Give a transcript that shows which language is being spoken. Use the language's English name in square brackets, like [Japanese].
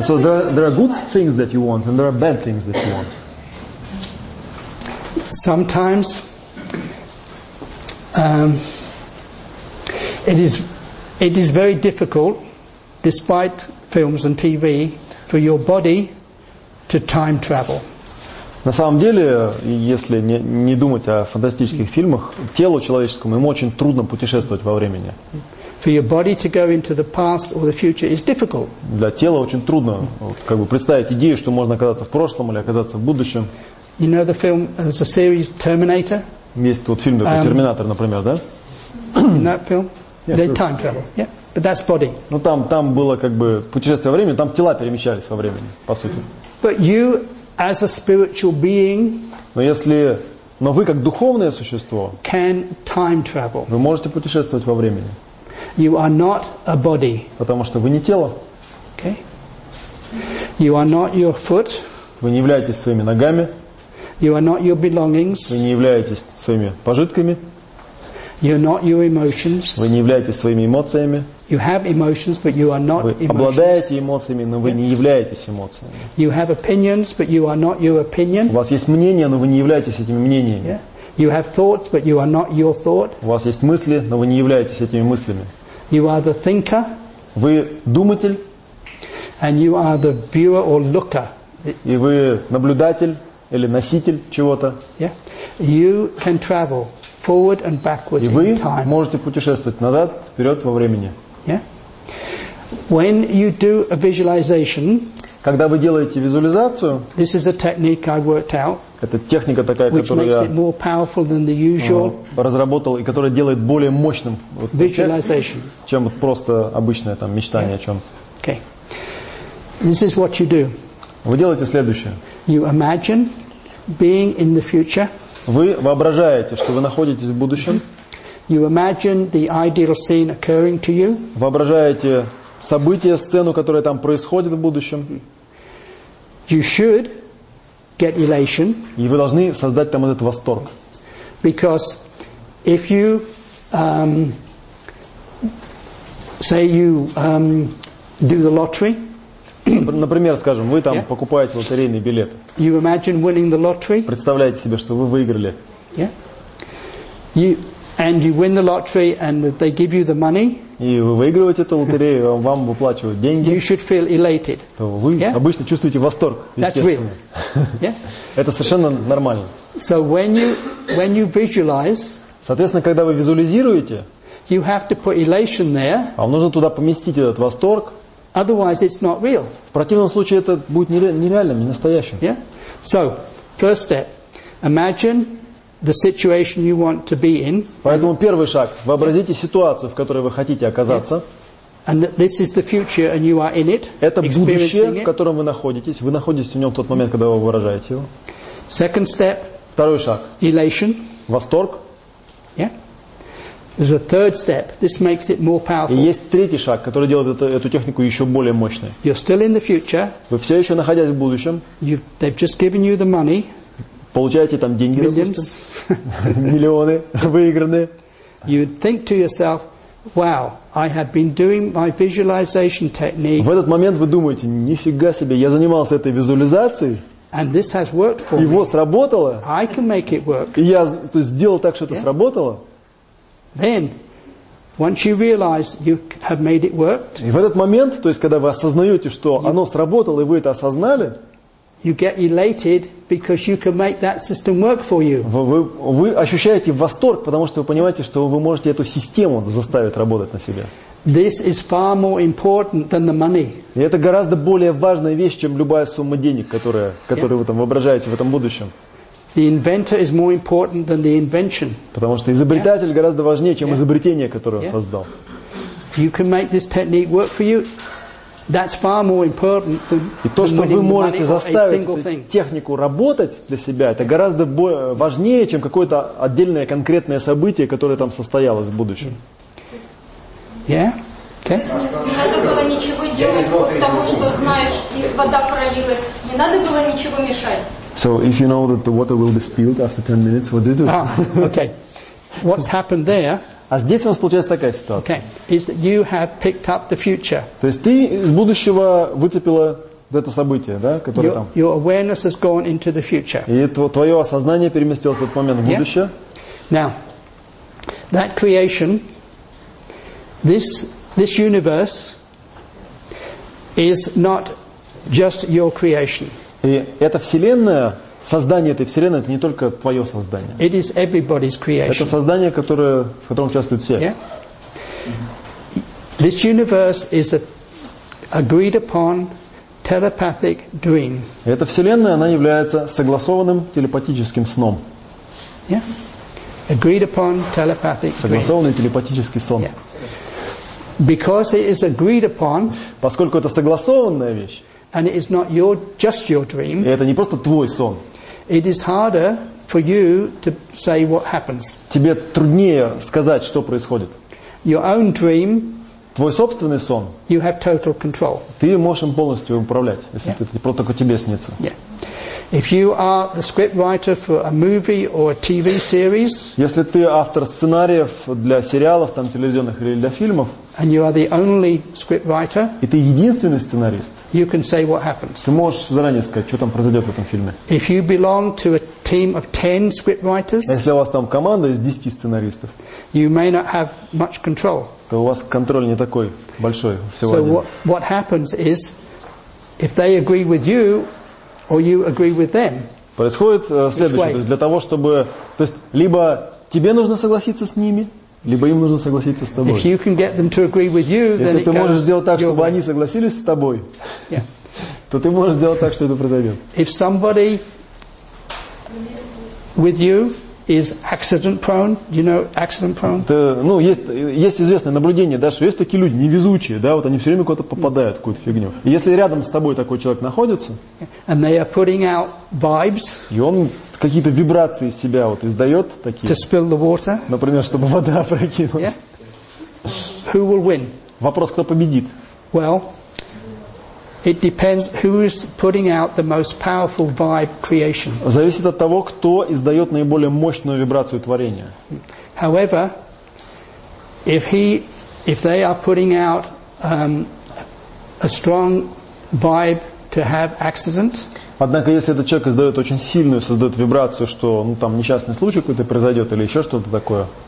[English] So there are good things that you want and there are bad things that you want. Sometimes it is very difficult, despite films and TV, for your body to time travel. [Russian] На самом деле, если не думать о фантастических фильмах, телу человеческому ему очень трудно путешествовать во времени. [English] For your body to go into the past or the future is difficult. [Russian] Для тела очень трудно, как бы представить идею, что можно оказаться в прошлом или оказаться в будущем. [English] You know the film, there's a series Terminator. [Russian] Есть вот фильм такой Терминатор, например, да? [English] In that film, they time travel. Yeah, but that's body. [Russian] Ну там было как бы путешествие во времени, там тела перемещались во времени, по сути. [English] But you, as a spiritual being. [Russian] Но вы как духовное существо. [English] Can time travel. [Russian] Вы можете путешествовать во времени. [English] You are not a body. [Russian] Потому что вы не тело. [English] Okay. You are not your foot. [Russian] Вы не являетесь своими ногами. [English] You are not your belongings. [Russian] Вы не являетесь своими пожитками. [English] You are not your emotions. [Russian] Вы не являетесь своими эмоциями. [English] You have emotions, but you are not [Russian] вы [English] emotions. [Russian] Обладаете эмоциями, но вы не являетесь эмоциями. [English] You have opinions, but you are not your opinion. [Russian] У вас есть мнение, но вы не являетесь этими мнениями. [English] Yeah. You have thoughts, but you are not your thought. [Russian] У вас есть мысли, но вы не являетесь этими мыслями. [English] You are the thinker. [Russian] Вы думатель. [English] And you are the viewer or looker. [Russian] И вы наблюдатель или носитель чего-то. [English] Yeah. You can travel forward and backward in time. [Russian] И вы можете путешествовать назад, вперед во времени. [English] Yeah. When you do a visualization. [Russian] Когда вы делаете визуализацию, [English] this is a technique I worked out, [Russian] это техника такая, которую я [English] more powerful than the usual [Russian] разработал и которая делает более мощным вот, [English] visualization. [Russian] Чем вот просто обычное там, мечтание о чем-то. [English] Okay. This is what you do. [Russian] Вы делаете следующее. [English] You imagine being in the future. [Russian] Вы воображаете, что вы находитесь в будущем. [English] You imagine the ideal scene occurring to you. [Russian] Воображаете события, сцену, которая там происходит в будущем. [English] You should get elation. [Russian] И вы должны создать там этот восторг. [English] Because if you say you do the lottery, [Russian] например, скажем, вы там покупаете лотерейный билет. [English] You imagine winning the lottery. [Russian] Представляете себе, что вы выиграли. [English] Yeah. You win the lottery and they give you the money. [Russian] и выигрывать эту лотерею, вам выплачивают деньги, [English] you should feel elated. [Russian] То вы [English] yeah? [Russian] обычно чувствуете восторг, естественно. [English] That's real. [Russian] Это совершенно нормально. [English] So when you visualize, [Russian] соответственно, когда вы визуализируете, [English] you have to put elation there, [Russian] вам нужно туда поместить этот восторг. [English] Otherwise it's not real. [Russian] В противном случае это будет нереальным, не настоящим. [English] Yeah? So, first step. Imagine the situation you want to be in. [Russian] Поэтому первый шаг. Вообразите ситуацию, в которой вы хотите оказаться. [English] And this is the future and you are in it. [Russian] Это будущее, в котором вы находитесь. Вы находитесь в нем в тот момент, когда вы выражаете его. [English] Second step. [Russian] Второй шаг. [English] Elation. [Russian] Восторг. [English] Yeah? There's a third step. This makes it more powerful. [Russian] И есть третий шаг, который делает эту технику еще более мощной. [English] You're still in the future. [Russian] Вы все еще находясь в будущем. [English] They've just given you the money. [Russian] Получаете там деньги, [English] millions. [Russian] Допустим, миллионы выигранные. [English] You think to yourself, wow, I have been doing my visualization technique. [Russian] В этот момент вы думаете, нифига себе, я занимался этой визуализацией. [English] And this has worked for [Russian] и вот сработало. [English] I can make it work. [Russian] И я то есть, сделал так, что это [English] yeah? [Russian] сработало. [English] Then, once you realize you have made it work, [Russian] и в этот момент, то есть когда вы осознаете, что оно сработало, и вы это осознали, [English] you get elated because you can make that system work for you. [Russian] Вы ощущаете восторг, потому что вы понимаете, что вы можете эту систему заставить работать на себя. [English] This is far more important than the money. [Russian] И это гораздо более важная вещь, чем любая сумма денег, которую [English] yeah. [Russian] вы там воображаете в этом будущем. [English] The inventor is more important than the invention. [Russian] Потому что изобретатель гораздо важнее, чем изобретение, которое он создал. [English] You can make this technique work for you. That's far more important than [Russian] и то, что вы можете заставить технику работать для себя, это гораздо важнее, чем какое-то отдельное конкретное событие, которое там состоялось в будущем. [English] Yeah? Okay. [Russian] Не надо было ничего делать, потому что знаешь, и вода пролилась. Не надо было ничего мешать. [English] So if you know that the water will be spilled after 10 minutes, what do you do? Ah, okay. What's happened there? [Russian] А здесь у нас получается такая ситуация. [English] Okay. Is that you have picked up the future? [Russian] То есть ты из будущего выцепила это событие, да, которое [English] your, [Russian] там. [English] Your awareness has gone into the future. [Russian] И твое осознание переместилось в этот момент в будущее. [English] Yeah? Now, that creation, this universe, is not just your creation. [Russian] И эта вселенная, создание этой вселенной, это не только твое создание. [English] It is everybody's creation. [Russian] Это создание, которое, в котором участвуют все. [English] Yeah? This universe is an agreed upon telepathic dream. [Russian] Эта вселенная, она является согласованным телепатическим сном. [English] Yeah? Agreed upon telepathic dream. [Russian] Согласованный телепатический сон. [English] Yeah. Because it is agreed upon, [Russian] поскольку это согласованная вещь, [English] and it is not your just your dream. [Russian] И это не просто твой сон. [English] It is harder for you to say what happens. [Russian] Тебе труднее сказать, что происходит. [English] Your own dream. [Russian] Твой собственный сон. [English] You have total control. [Russian] Ты можешь им полностью управлять, если [English] yeah. [Russian] это только тебе снится. [English] Yeah. If you are the scriptwriter for a movie or a TV series. [Russian] Если ты автор сценариев для сериалов, там телевизионных или для фильмов. [English] And you are the only scriptwriter. [Russian] И ты единственный сценарист. [English] You can say what happens. [Russian] Ты можешь заранее сказать, что там произойдет в этом фильме. [English] If you belong to a team of 10 scriptwriters. [Russian] Если у вас там команда из 10 сценаристов. [English] You may not have much control. [Russian] То у вас контроль не такой большой всего. [English] So what happens is, if they agree with you, or you agree with them. [Russian] Происходит следующее. То есть для того, чтобы, то есть либо тебе нужно согласиться с ними. Либо им нужно согласиться с тобой. [English] If you can get them to agree with you, then [Russian] если ты можешь сделать так, чтобы они согласились с тобой, [English] yeah. [Russian] то ты можешь сделать так, что это произойдет. [English] If somebody with you is accident prone, you know, accident prone. [Russian] Это, ну, есть известное наблюдение, да, что есть такие люди невезучие, да, вот они все время куда-то попадают, какую-то фигню. И если рядом с тобой такой человек находится, [English] and they are putting out vibes, [Russian] и он какие-то вибрации из себя вот издает такие. [English] To spill the water. [Russian] Например, чтобы вода прокинулась. [English] Yeah. Who will win? [Russian] Вопрос, кто победит? [English] Well, it depends who is putting out the most powerful vibe creation. [Russian] Зависит от того, кто издает наиболее мощную вибрацию творения. [English] However, if they are putting out a strong vibe to have accident. [Russian] Однако, если этот человек издает очень сильную, создает вибрацию, что ну, там несчастный случай какой-то произойдет или еще что-то такое,